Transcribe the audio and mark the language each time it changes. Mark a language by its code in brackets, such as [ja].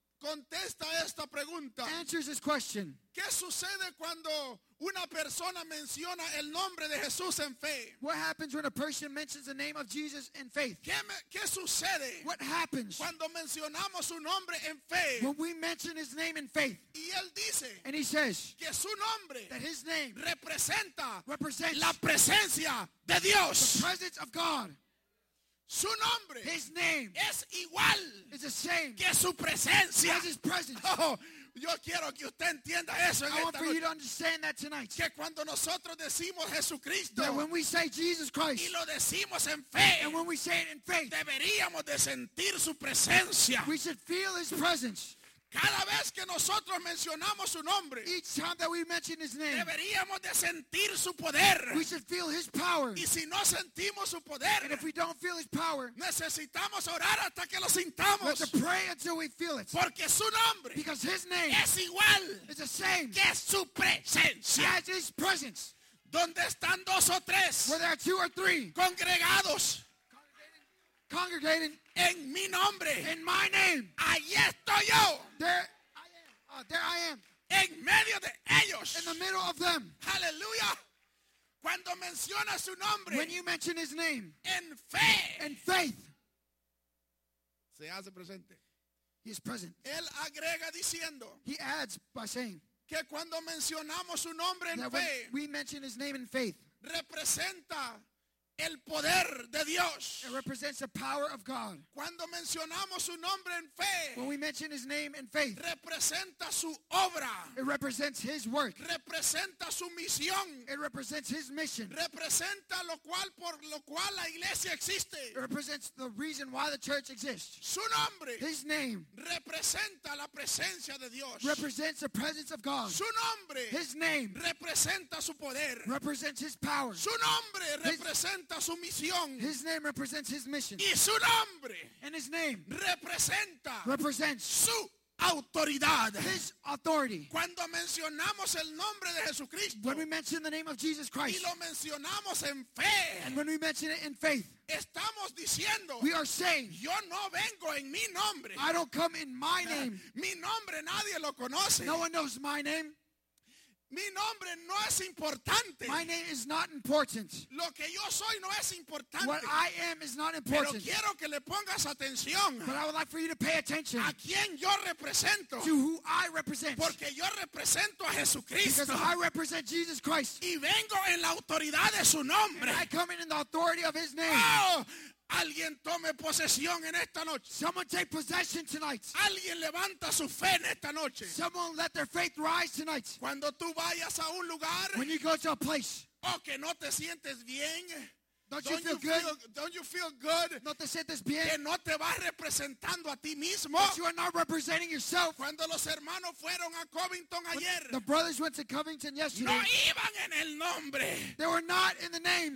[es] Contesta esta pregunta. [en] Answers this question. [es] ¿Qué sucede cuando una persona menciona el nombre de Jesús en fe? [en] What happens when a person mentions the name of Jesus in faith? [es] ¿Qué sucede? [en] What happens? [es] Cuando mencionamos su nombre en fe. [en] When we mention his name in faith. [es] Y él dice. [en] And he says. [es] Que su nombre. [en] That his name. [es] Representa. [en] Represents. [es] La presencia de Dios. [en] The presence of God. [es] Su nombre. [en] His name. [es] Es igual. [en] Is the same. [es] Que su presencia. [en] As his presence. Oh. [es] Yo quiero que usted entienda eso en [en] I want for you to understand that tonight. [es] Que cuando nosotros decimos Jesucristo, [en] that when we say Jesus Christ. [es] Y lo decimos en fe, [en] and when we say it in faith. [es] Deberíamos de sentir su presencia. [en] We should feel his presence. [es] Cada vez que nosotros mencionamos su nombre. [en] Each time that we mention his name. [es] Deberíamos de sentir su poder. [en] We should feel his power. [es] Y si no sentimos su poder. [en] And if we don't feel his power. [es] Necesitamos orar hasta que lo sintamos. [en] We have to pray until we feel it. [es] Porque su nombre. [en] Because his name. [es] Es igual. [en] Is the same. [es] Que su presencia. [en] As his presence. [es] Donde están dos o tres. [en] Where there are two or three. [es] Congregados. [en] Congregated. [es] En mi nombre. [en] In my name. [es] Allí estoy yo. [en] There I am. [es] En medio de ellos. [en] In the middle of them. Hallelujah. [es] Cuando menciona su nombre. [en] When you mention his name. [es] En fe. [en] In faith. [es] Se hace presente. [en] He is present. [es] Él agrega diciendo. [en] He adds by saying. [es] Que cuando mencionamos su nombre en [en] that [es] fe. [en] When we mention his name in faith. [es] Representa. El poder de Dios. [en] It represents the power of God. [es] Cuando mencionamos su nombre en fe. [en] When we mention his name in faith. [es] Representa su obra. [en] It represents his work. [es] Representa su misión. [en] It represents his mission. [es] Representa lo cual por lo cual la iglesia existe. [en] It represents the reason why the church exists. [es] Su nombre. [en] His name. [es] Representa la presencia de Dios. [en] Represents the presence of God. [es] Su nombre. [en] His name. [es] Representa su poder. [en] Represents his power. [es] Su nombre. Representa su misión. [en] His name represents his mission. [es] Y su nombre. [en] And his name. [es] Representa. [en] Represents. [es] Su autoridad. [en] His authority. [es] Cuando mencionamos el nombre de Jesucristo. [en] When we mention the name of Jesus Christ. [es] Y lo mencionamos en fe. [en] And when we mention it in faith. [es] Estamos diciendo. [en] We are saying. [es] Yo no vengo en mi nombre. [en] I don't come in my name. [es] Mi nombre nadie lo conoce. [en] No one knows my name. [es] Mi nombre no es importante. [en] My name is not important. [es] Lo que yo soy no es importante. [en] What I am is not important. [es] Pero quiero que le pongas atención. [en] But I would like for you to pay attention. [es] A quien yo represento. [en] To who I represent. [es] Porque yo represento a Jesucristo. [en] Because I represent Jesus Christ. [es] Y vengo en la autoridad de su nombre. [en] And I come in the authority of his name. Oh. [es] Alguien tome posesión en esta noche. [en] Someone take possession tonight. [es] Alguien levanta su fe en esta noche. [en] Someone let their faith rise tonight. [es] Cuando tú vayas a un lugar. [en] When you go to a place. [es] O que no te sientes bien. [en] Don't you feel good? Don't you feel good? [es] No te sientes bien. Que no te vas representando a ti mismo. [en] That you are not representing yourself. [es] Cuando los hermanos fueron a Covington ayer. [en] The brothers went to Covington yesterday. [es] No iban en el nombre. [en] They were not in the name.